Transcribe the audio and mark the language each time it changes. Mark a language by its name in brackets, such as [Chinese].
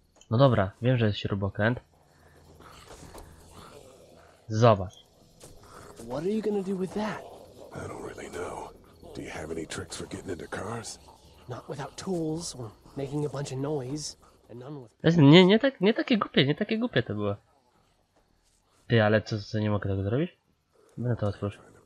[Polish] No dobra, wiem, że jest śrubokręt. Zobacz. [English] What are you gonna do with that? I don't really know. Do you have any tricks for getting into cars? Not without tools or making a bunch of noise and none with. [Polish] Nie takie głupie to było. Ty, ale co nie mogę tego zrobić? Będę to otworzył.